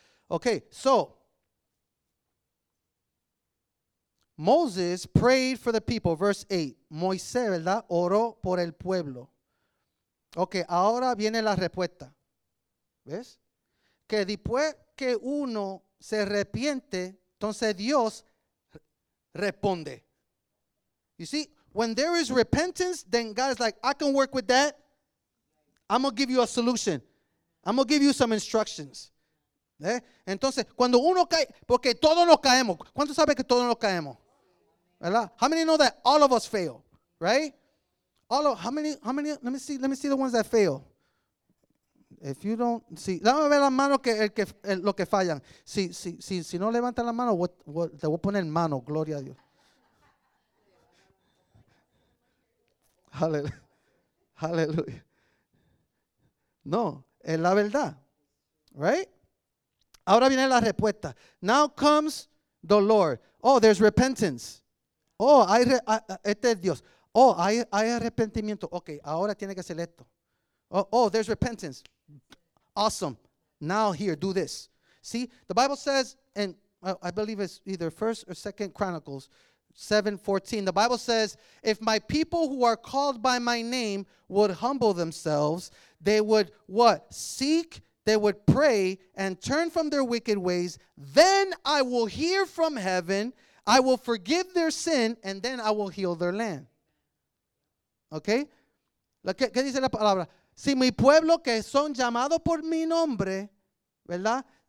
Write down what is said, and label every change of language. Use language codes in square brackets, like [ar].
[en] Okay, so Moses prayed for the people, verse 8. [es] Moisés, ¿verdad?, oró por el pueblo. Ok, ahora viene la respuesta. ¿Ves? Que después que uno se arrepiente, entonces Dios responde. [en] You see, when there is repentance, then God is like, I can work with that. I'm going to give you a solution. I'm going to give you some instructions. ¿Eh? [es] Entonces, cuando uno cae, porque todos nos caemos. ¿Cuánto sabe que todos nos caemos? ¿Verdad? [en] How many know that all of us fail, right? How many, let me see the ones that fail. If you don't see, [es] dame ver las manos lo que fallan. Si no levantan la mano, te voy a poner mano, gloria a Dios. Hallelujah. No, es la verdad, [en] right? [es] Ahora viene la respuesta. [en] Now comes the Lord. Oh, there's repentance. [es] Oh, este es Dios. Oh, hay arrepentimiento. Okay, ahora tiene que ser esto. [en] Oh, there's repentance. Awesome. Now here, do this. See, the Bible says, and I believe it's either 1st or 2nd Chronicles 7:14. The Bible says, if my people who are called by my name would humble themselves, they would what? Seek, they would pray, and turn from their wicked ways, then I will hear from heaven, I will forgive their sin and then I will heal their land. [es] Okay? ¿Qué dice la palabra? Si mi pueblo que son llamados por mi nombre, ¿verdad?